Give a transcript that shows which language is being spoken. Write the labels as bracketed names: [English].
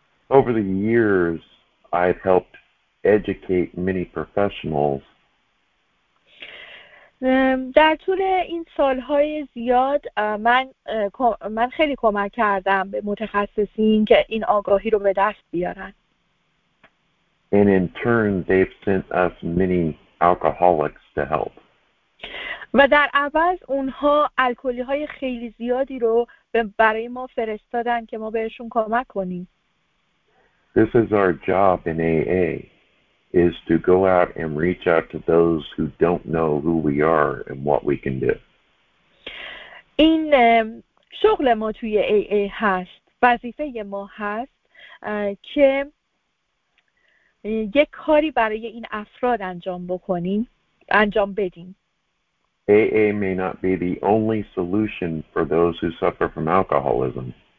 [English] Over the years I've helped educate many professionals. [Persian] در طول این سالهای زیاد من خیلی کمک کردم به متخصصین که این آگاهی رو به دست بیارن. [English] And in turn, they've sent us many alcoholics to help. [Persian] و در عوض اونها الکلی‌های خیلی زیادی رو برای ما فرستادن که ما بهشون کمک کنیم. [English] This is our job in AA, is to go out and reach out to those who don't know who we are and what we can do. [Persian] این شغل ما توی AA هست، وظیفه ما هست که یک کاری برای این افراد انجام بدیم. [English] AA may not be the only solution for those who suffer from alcoholism.